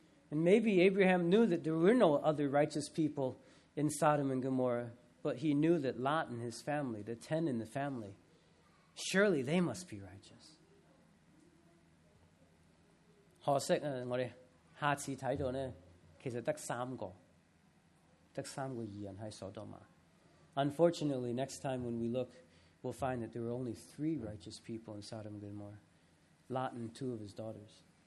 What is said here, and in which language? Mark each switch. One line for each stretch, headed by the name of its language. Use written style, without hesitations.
English: And maybe Abraham knew that there were no other righteous people in Sodom and Gomorrah, but he knew that Lot and his family, the 10 in the family, surely they must be righteous.
Chinese: 可惜我们下次看到呢，其实只有三个义人在所多玛。
English: Unfortunately, next time when we look, we'll find that there were only 3 righteous people in Sodom and Gomorrah, Lot and 2 of his daughters.